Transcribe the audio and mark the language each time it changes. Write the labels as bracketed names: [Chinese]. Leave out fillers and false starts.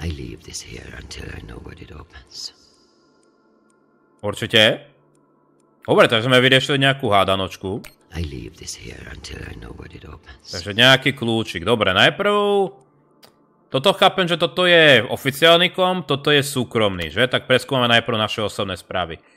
[English] I leave this here until I know what it opens. [Slovak] Určite? Dobre, takže sme vyriešili nejakú hádanočku. [English] I leave this here until I know what it opens. [Slovak] Takže nejaký kľúčik. Dobre, najprv... Toto chápem, že toto je oficiálny kom, toto je súkromný, že? Tak preskúmame najprv naše osobné správy.